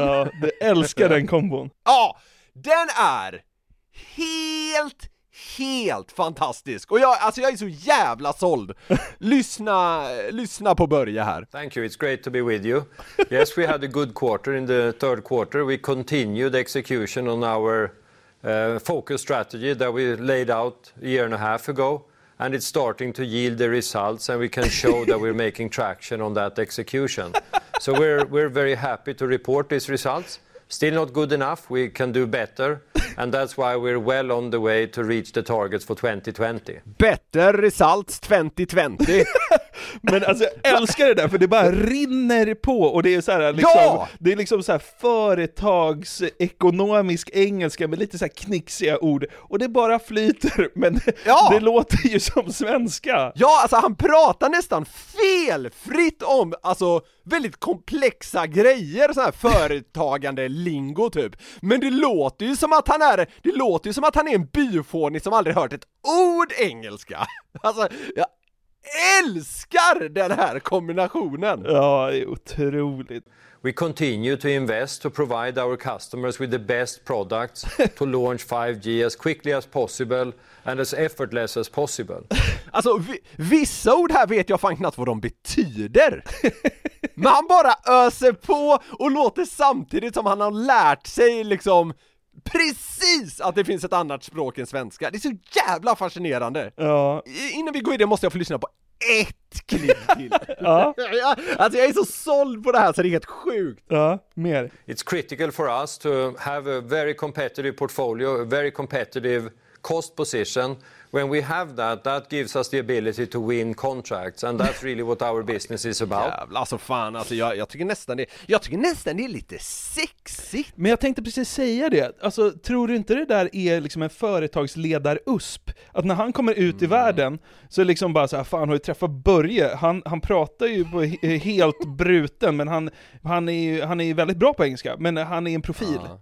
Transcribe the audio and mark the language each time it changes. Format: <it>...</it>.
<sv>Ja, jag älskar den kombon. Ja, den är helt, helt fantastisk. Och jag är så jävla såld. Lyssna på Börje här.</sv> <en>Thank you, it's great to be with you. Yes, we had a good quarter. In the third quarter, we continued execution on our focus strategy that we laid out a year and a half ago. And it's starting to yield the results, and we can show that we're making traction on that execution. So we're very happy to report these results. Still not good enough, we can do better. And that's why we're well on the way to reach the targets for 2020. Better results 2020.</en> <sv>Men alltså, jag älskar det där, för det bara rinner på. Och det är så här, liksom, ja! Det är liksom så här företagsekonomisk engelska med lite så här knixiga ord. Och det bara flyter, men ja! Det låter ju som svenska. Ja, alltså han pratar nästan felfritt om, alltså, väldigt komplexa grejer, så här företagande lingo typ. Men det låter ju som att han är, det låter ju som att han är en byfåning som aldrig hört ett ord engelska. Alltså, jag älskar den här kombinationen. Ja, otroligt.</sv> <en>We continue to invest to provide our customers with the best products to launch 5G as quickly as possible and as effortless as possible.</en> <sv>Alltså, vissa ord här vet jag fan knappt vad de betyder. Men han bara öser på och låter samtidigt som han har lärt sig liksom precis att det finns ett annat språk än svenska. Det är så jävla fascinerande. Ja. Innan vi går i det måste jag få lyssna på ett klipp till. Ja. Alltså, jag är så såld på det här så det är helt sjukt. Ja, mer.</sv> <en>It's critical for us to have a very competitive portfolio, a very competitive cost position. When we have that, that gives us the ability to win contracts, and that's really what our business is about.</en> <sv>Jävlar, alltså fan, alltså jag tycker nästan det är lite sexigt. Men jag tänkte precis säga det. Alltså, tror du inte det där är liksom en företagsledar-usp? Att när han kommer ut i världen så är liksom bara så här, fan, har ju träffat Börje. Han pratar ju på helt bruten, men han är ju väldigt bra på engelska, men han är en profil. Ja.</sv>